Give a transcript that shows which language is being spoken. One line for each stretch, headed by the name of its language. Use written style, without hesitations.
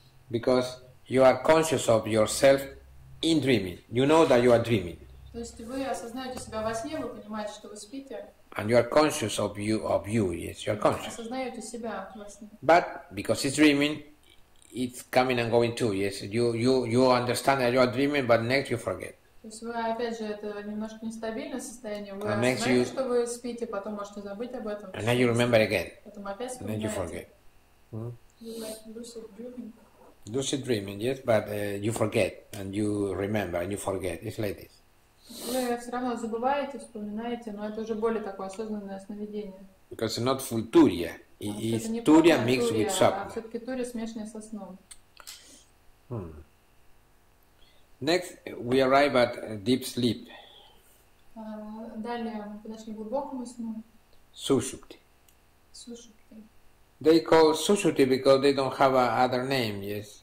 English: Because you are conscious of yourself in dreaming. You know that you are dreaming.
Russian: То есть вы осознаете себя во сне, вы понимаете, что вы спите.
English: And you are conscious of you, yes, you are conscious.
Russian: Осознаете себя во сне.
English: But because it's dreaming, it's coming and going too, yes. You understand that you are dreaming, but next you forget.
Russian: То есть вы, опять же, это немножко нестабильное состояние. Вы осознаете, что вы спите, потом можете забыть об этом.
English: And then you remember again.
Russian: Потом опять вспоминаете.
English: And then you forget. Lucid dreaming. Lucid dreaming, yes, but you forget, and you remember, and you forget. It's like this.
Russian: Вы все равно забываете, вспоминаете, но это уже более такое осознанное сновидение.
English: Because it's not full turiya. It's turiya mixed with sapna.
Russian: Все-таки turiya смешанная со сном.
English: Next, we arrive at deep sleep.
Russian: Далее мы подошли к глубокому сну. Сушупти. Сушупти.
English: They call сушупти because they don't have another name, yes.